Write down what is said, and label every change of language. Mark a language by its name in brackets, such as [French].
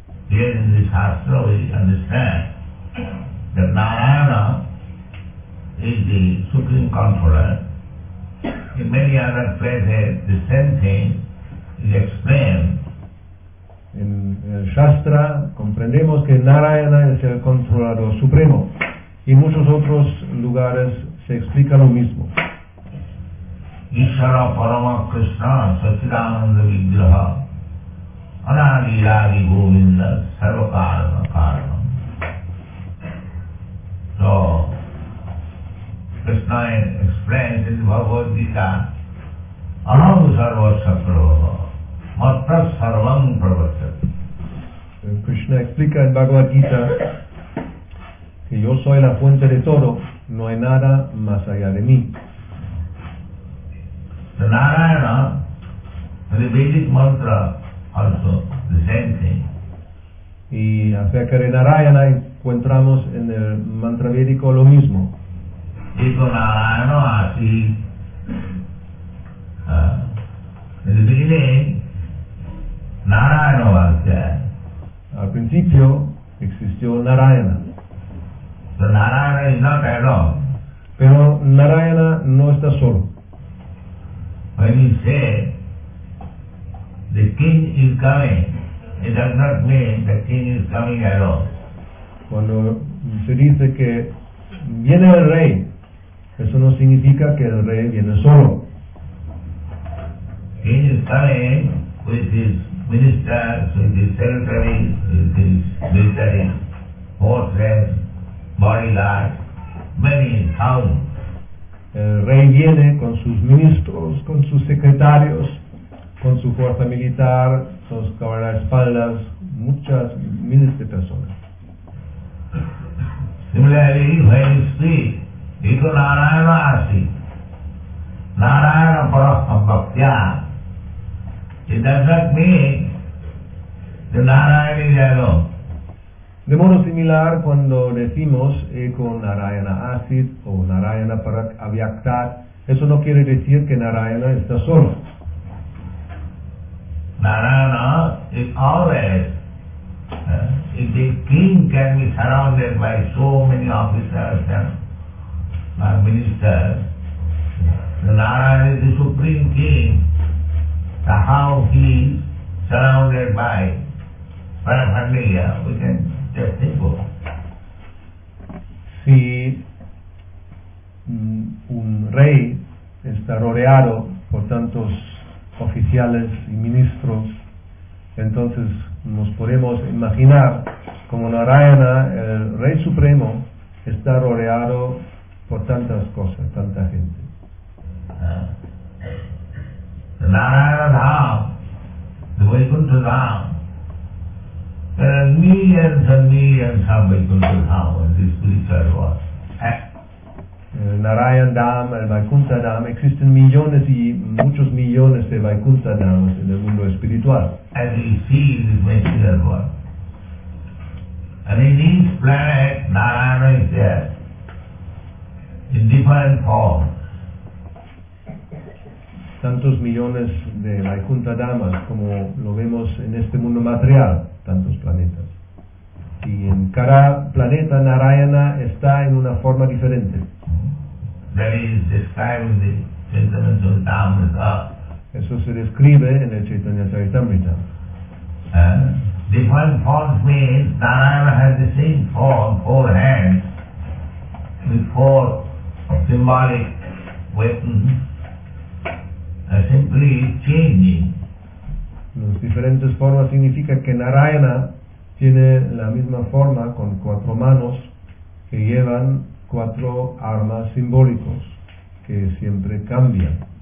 [English] Here in this shastra we understand that Narayana is the supreme controller. In many other places the same thing is explained. [Spanish] En el shastra comprendemos que Narayana es el controlador supremo. Y en muchos otros lugares se explica lo mismo. [Sanskrit] Ishara Parama Krishna Satchidananda Vigraha Anadi Adi Govinda Sarva Karana Karana. [English] So, Krishna explains in the Bhagavad Gita [Sanskrit] Anam Sarva Satrava Matra Sarvam Pravachati. [Spanish] Krishna explica en Bhagavad Gita que yo soy la fuente de todo, no hay nada más allá de mí. [English] The Narayana, the basic mantra also, the same thing. [Spanish] Y acerca de Narayana encontramos en el mantra védico lo mismo. Tipo Narayana Vasi. [English] In the beginning, [Sanskrit] Narayana Vasi. [Spanish] Al principio, existió Narayana. [English] So Narayana is not alone. [Spanish] Pero Narayana no está solo. [English] When he said, the king is coming, it does not mean the king is coming alone. [Spanish] Cuando se dice que viene el rey, eso no significa que el rey viene solo. [English] He is coming with his ministers, with his secretaries, with his military forces, bodyguards, many thousands. [Spanish] El rey viene con sus ministros, con sus secretarios, con su fuerza militar, sus guardaespaldas, muchas miles de personas. [English] Similarly, when you speak, [Sanskrit] Ito Narayana Asi, Narayana Parasam Bhaktya, [English] it does not mean the Narayana is alone. [Spanish] De modo similar, cuando decimos [Sanskrit] Ito Narayana Asi [Spanish] o [Sanskrit] Narayana Parasabhyakta, [Spanish] eso no quiere decir que Narayana está solo. [English] Narayana is always. If the king can be surrounded by so many officers and ministers, the Narayana is the supreme king. So how he is surrounded by paraphernalia, we can just think of. [Spanish] Si un rey está rodeado por tantos oficiales y ministros, entonces nos podemos imaginar como Narayana, el Rey Supremo, está rodeado por tantas cosas, tanta gente. [English] Narayana Dham, the Vaikuntha Dham, there are millions and millions of Vaikuntha Dham in this spiritual world. [Spanish] Narayana Dham, el Vaikuntha Dham, existen millones y muchos millones de Vaikuntha Dhams en el mundo espiritual. [English] As you see in this material world. And in each planet, Narayana is there, in different forms. [Spanish] Tantos millones de Vaikuntha Dhammas, como lo vemos en este mundo material, tantos planetas. Y en cada planeta, Narayana está en una forma diferente. [English] That is describing the Chaitanya Charitamrita. [Spanish] Eso se describe en el Chaitanya Charitamrita. [English] Different forms means Narayana has the same form, four hands, with four symbolic weapons, simply changing. [Spanish] Las diferentes formas significa que Narayana tiene la misma forma con cuatro manos que llevan cuatro armas simbólicos que siempre cambian.